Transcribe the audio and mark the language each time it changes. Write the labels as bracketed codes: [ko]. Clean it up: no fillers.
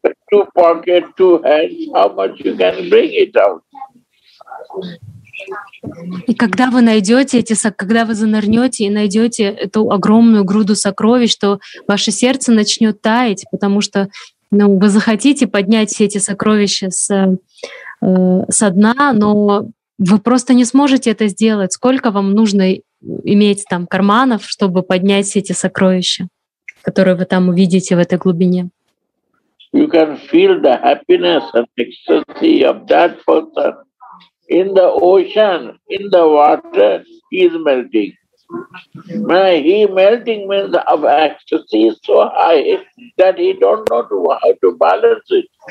[en] Two pockets, two hands, how much you can bring it out? [ru] И когда вы найдете эти, когда вы занырнете и найдете эту огромную груду сокровищ, то ваше сердце начнет таять, потому что ну, вы захотите поднять все эти сокровища со дна, но вы просто не сможете это сделать. Сколько вам нужно иметь там карманов, чтобы поднять все эти сокровища, которые вы там увидите в этой глубине? [en] You can feel the happiness and ecstasy of that person. In the ocean, in the water, he is melting. He melting means of ecstasy is so high that he don't know how to balance it.